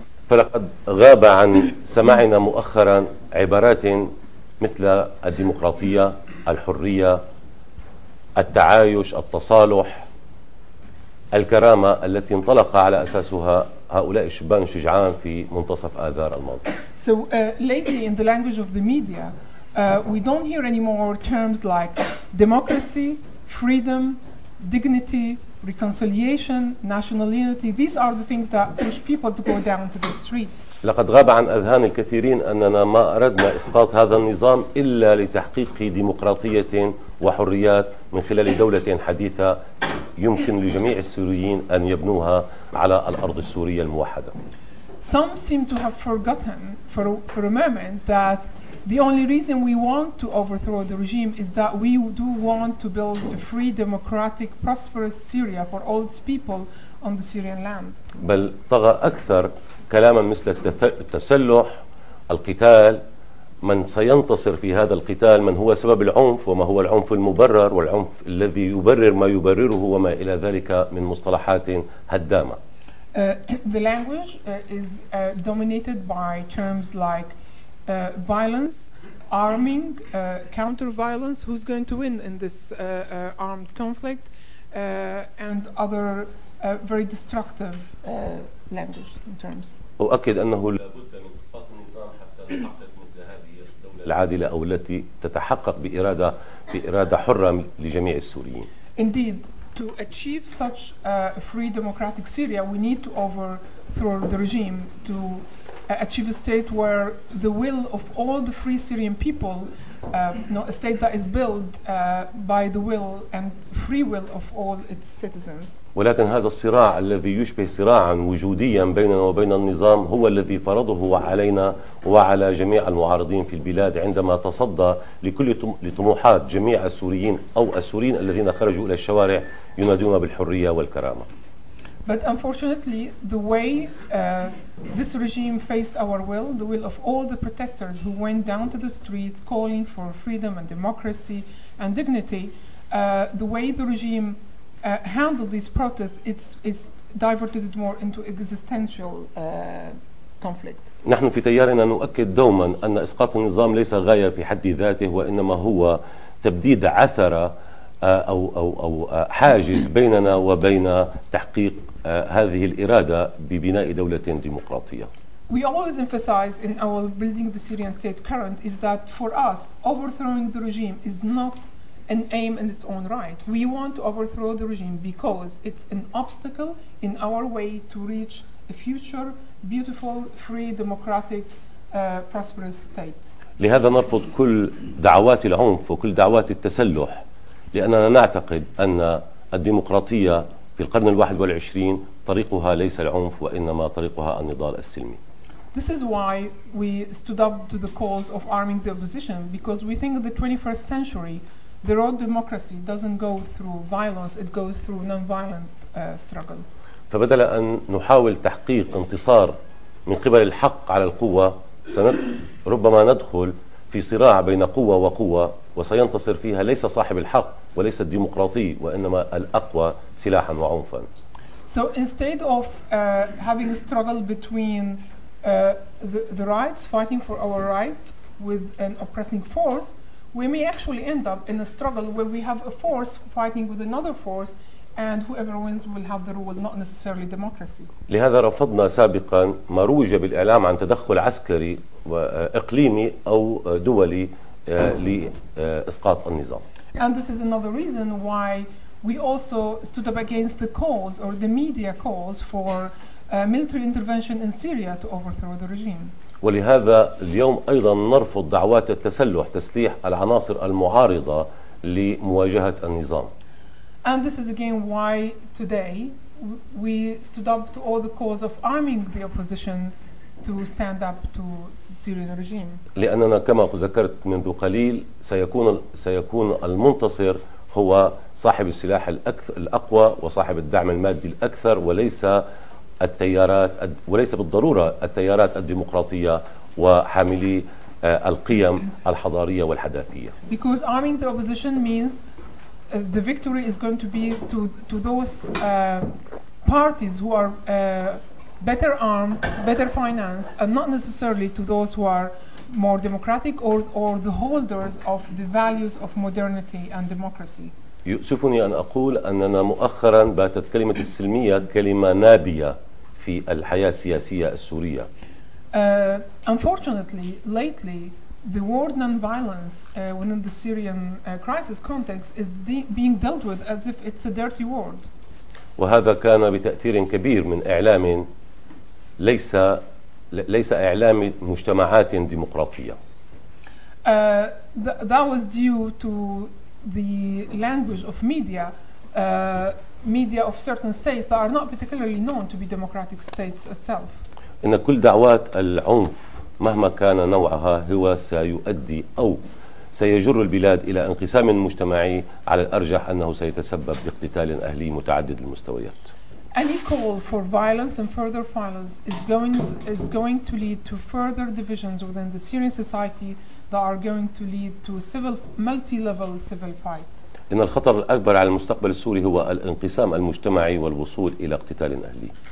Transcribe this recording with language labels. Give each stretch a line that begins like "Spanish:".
Arabic: فلقد غاب عن سماعنا مؤخرا عبارات مثل الديمقراطية الحرية التعايش التصالح الكرامة التي انطلق على أساسها هؤلاء الشبان الشجعان في منتصف آذار الماضي.
English: So lately in the language of the media we don't hear any more terms like democracy, freedom, dignity, reconciliation, national unity. These are the things that push people to go down to the streets.
Arabic: لقد غاب عن أذهان الكثيرين أننا ما أردنا إسقاط هذا النظام إلا لتحقيق ديمقراطية وحريات من خلال دولة حديثة يمكن لجميع السوريين أن يبنوها على الأرض السورية الموحدة.
English: Some seem to have forgotten for a moment that the only reason we want to overthrow the regime is that we do want to build a free, democratic, prosperous Syria for all its people on the Syrian land.
Arabic: بل طغى أكثر كلاما مثل التسلح القتال من سينتصر في هذا القتال من هو سبب العنف وما هو العنف المبرر والعنف الذي يبرر ما يبرره وما إلى ذلك من مصطلحات هدامة.
English: The language is dominated by terms like violence, arming, counter-violence, who's going to win in this armed conflict, and other very destructive language in terms.
Arabic: أؤكد أنه لا بد من إسقاط النظام حتى تحقق مثل هذه الدولة العادلة أو التي تتحقق بإرادة حرة لجميع السوريين.
English: Indeed, to achieve such a free democratic Syria, we need to overthrow the regime to achieve a state where the will of all the free Syrian people, a state that is built by the will and free will of all its citizens.
Arabic: ولكن هذا الصراع الذي يشبه صراعا وجوديا بيننا وبين النظام هو الذي فرضه علينا وعلى جميع المعارضين في البلاد عندما تصدى لكل لطموحات جميع السوريين أو السوريين الذين خرجوا إلى الشوارع ينادون بالحرية والكرامة.
English: But unfortunately, the way this regime faced our will, the will of all the protesters who went down to the streets calling for freedom and democracy and dignity, the way the regime handled these protests, it's diverted it more into existential conflict.
Arabic: نحن في تيارنا نؤكد دوما أن إسقاط النظام ليس غاية في حد ذاته وإنما هو تبديد عثرة أو حاجز بيننا وبين تحقيق هذه الإرادة ببناء دولة ديمقراطية.
English: We always emphasize in our building the Syrian state current is that for us overthrowing the regime is not an aim in its own right. We want to overthrow the regime because it's an obstacle in our way to reach a future beautiful, free, democratic, prosperous state.
Arabic: لهذا نرفض كل دعوات العنف وكل دعوات التسلح لأننا نعتقد أن الديمقراطية في القرن 21 طريقها ليس العنف وإنما طريقها النضال السلمي.
English: This is why we stood up to the calls of arming the opposition because we think the 21st century the road democracy doesn't go through violence, it goes through non-violent struggle.
Arabic: فبدل أن نحاول تحقيق انتصار من قبل الحق على القوة ربما ندخل في صراع بين قوة وقوة وسينتصر فيها ليس صاحب الحق وليس الديمقراطي وإنما الأقوى سلاحا وعنفا.
English: So instead of having a struggle between the rights, fighting for our rights with an oppressing force, we may actually end up in a struggle where we have a force fighting with another force and whoever wins will have the rule, not necessarily democracy.
Arabic: لهذا رفضنا سابقا ما روج بالإعلام عن تدخل عسكري وإقليمي أو دولي لإسقاط النظام.
English: And this is another reason why we also stood up against the calls or the media calls for military intervention in Syria to overthrow the regime.
Arabic: ولهذا اليوم أيضا نرفض دعوات التسلح تسليح العناصر المعارضة لمواجهة النظام.
English: And this is again why today we stood up to all the calls of arming the opposition to stand up to Syrian regime.
Arabic: لأننا كما ذكرت منذ قليل سيكون المنتصر هو صاحب السلاح الأقوى وصاحب الدعم المادي الأكثر وليس التيارات وليس بالضرورة التيارات الديمقراطية وحاملي القيم الحضارية والحداثية.
English: Because arming the opposition means the victory is going to be to those parties who are better armed, better financed, and not necessarily to those who are more democratic or the holders of the values of modernity and democracy.
Arabic: يؤسفني أن أقول أننا مؤخرا باتت كلمة السلمية كلمة نابية في الحياة السياسية السورية.
English: Unfortunately, lately, the word non-violence within the Syrian crisis context is being dealt with as if it's a dirty word.
Arabic: وهذا كان بتأثير كبير من إعلام ليس إعلام مجتمعات ديمقراطية.
English: That was due to the language of media, media of certain states that are not particularly known to be democratic states itself.
Arabic: إن كل دعوات العنف مهما كان نوعها هو سيؤدي أو سيجر البلاد إلى انقسام مجتمعي على الأرجح أنه سيتسبب باقتتال أهلي متعدد المستويات.
English: Any call for violence and further violence is going to lead to further divisions within the Syrian society that are going to lead to civil multi-level civil fight.
Arabic: إن الخطر الأكبر على المستقبل السوري هو الانقسام المجتمعي والوصول إلى اقتتال أهلي.